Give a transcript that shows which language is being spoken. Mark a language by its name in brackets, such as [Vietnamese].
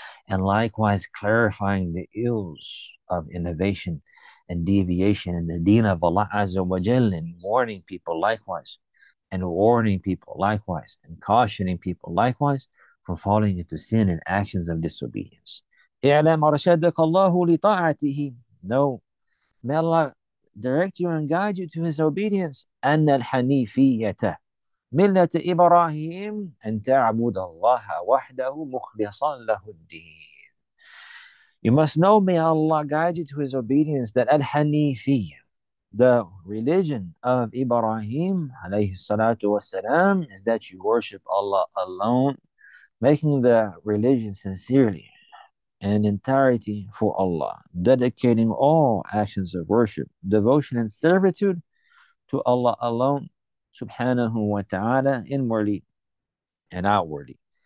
[English] And likewise clarifying the ills of innovation and deviation in the deen of Allah azza wa jalla, and warning people likewise, and warning people likewise, and cautioning people likewise from falling into sin and actions of disobedience. [Arabic] اعلم أرشدك الله لطاعته. [English] No. May Allah direct you and guide you to His obedience. [Arabic] أن الحنيفية ملة إبراهيم أن تعبد الله وحده مخلصا له الدين. [English] You must know, may Allah guide you to His obedience, that الحنيفية, the religion of Ibrahim [Arabic] عليه الصلاة والسلام, [English] is that you worship Allah alone, making the religion sincerely and entirety for Allah, dedicating all actions of worship, devotion, and servitude to Allah alone, subhanahu wa ta'ala, inwardly and outwardly.